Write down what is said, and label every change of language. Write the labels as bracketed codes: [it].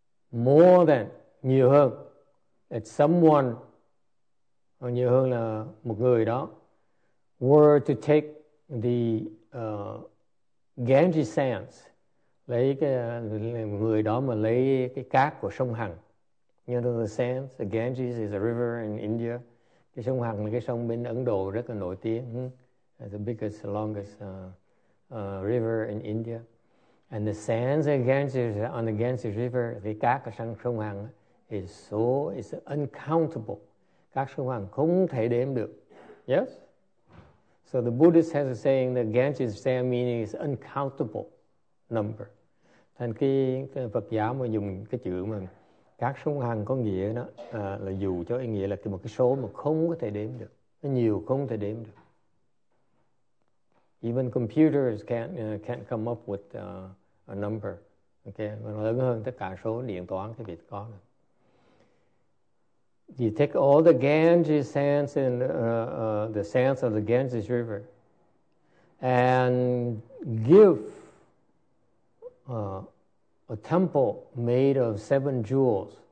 [en] more than, [vi] nhiều hơn, [en] if someone, [vi] or nhiều hơn là một người đó, [en] were to take the Ganges sands, [vi] lấy cái người đó mà lấy cái cát của sông Hằng. [en] You know the sands, the Ganges is a river in India. [vi] Cái sông Hằng là cái sông bên Ấn Độ rất là nổi tiếng. [en] The biggest, longest river in India. And the sands of Ganges, on the Ganges River, the [vi] cát ở sông Hằng [en] is uncountable. [vi] Cát sông Hằng không thể đếm được. [en] Yes? So the Buddhist has a saying that Ganges sand meaning is uncountable number. [vi] Thành cái Phật giáo mà dùng cái chữ mà cát sông Hằng có nghĩa đó là dù cho ý nghĩa là một cái số mà không có thể đếm được. Nó nhiều không thể đếm được. [en] Even computers can't come up with a number, okay? [vi] Mà nó lớn hơn tất cả số điện toán cái việc có. [en] You take all the Ganges sands and the sands of the Ganges River, and give a temple made of seven jewels.